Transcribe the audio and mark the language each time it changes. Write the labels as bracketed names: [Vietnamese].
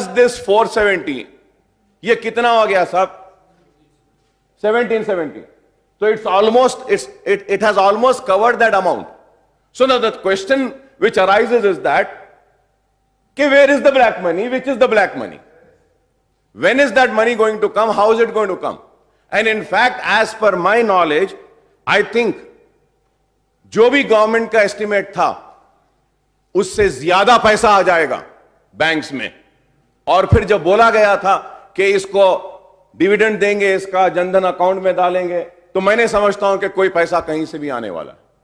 [Urdu] 13 + 470 یہ کتنا ہو گیا صاحب؟ 1770. [English] تو it has almost covered that amount. So نا the question which arises is that کہ where is the black money, which is the black money, when is that money going to come, how is it going to come. And in fact as per my knowledge I think [Urdu] جو بھی government کا estimate تھا اس سے زیادہ پیسہ آ جائے گا banks میں. اور پھر جب بولا گیا تھا کہ اس کو ڈیویڈنڈ دیں گے, اس کا جن دھن اکاؤنٹ میں ڈالیں گے, تو میں نے سمجھتا ہوں کہ کوئی پیسہ کہیں سے بھی آنے والا ہے.